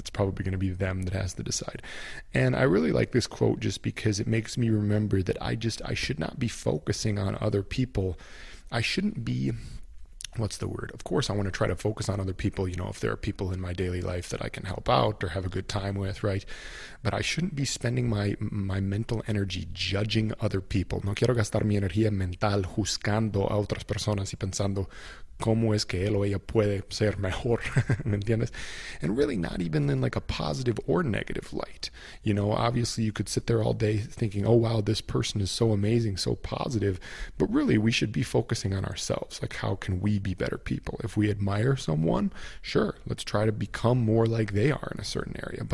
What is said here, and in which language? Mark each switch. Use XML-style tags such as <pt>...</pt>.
<en>It's probably going to be them that has to decide. And I really like this quote just because it makes me remember that I should not be focusing on other people. I shouldn't be what's the word? Of course, I want to try to focus on other people, you know, if there are people in my daily life that I can help out or have a good time with, right? But I shouldn't be spending my mental energy judging other people.</en> <es>No quiero gastar mi energía mental juzgando a otras personas y pensando cómo es que él o ella puede ser mejor, ¿me entiendes?</es> <en>And really not even in like a positive or negative light. You know, obviously you could sit there all day thinking, oh wow, this person is so amazing, so positive. But really we should be focusing on ourselves. Like, how can we be better people? If we admire someone, sure, let's try to become more like they are in a certain area.</en>